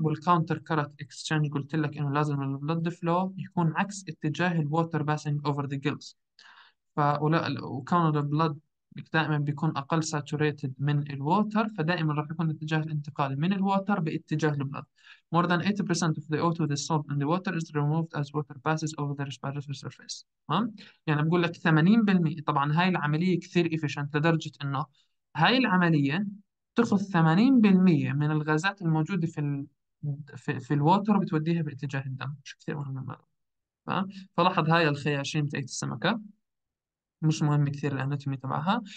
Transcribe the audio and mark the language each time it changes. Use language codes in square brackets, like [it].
[ar] والكاونتر كرت اكسشينج قلت لك إنه لازم البلد فلو يكون عكس اتجاه الووتر باسنج أوفر ذا جيلز. وكون البلد دائما بيكون اقل ساتوريتد من الووتر، فدائما راح يكون اتجاه الانتقال من الووتر باتجاه البلد. [en] More than 80% of the O2 dissolved in the water is removed as water passes over the respiratory surface. [ar] تمام؟ يعني بقول لك 80%، طبعا هاي العمليه كثير افيشنت لدرجه انه هاي العمليه تاخذ 80% من الغازات الموجوده في الووتر بتوديها باتجاه الدم، مش كثير مهم المعلومه. تمام؟ فلاحظ هاي الخياشيم تاعت السمكه، مش مهم كثير الاناتومي تبعها.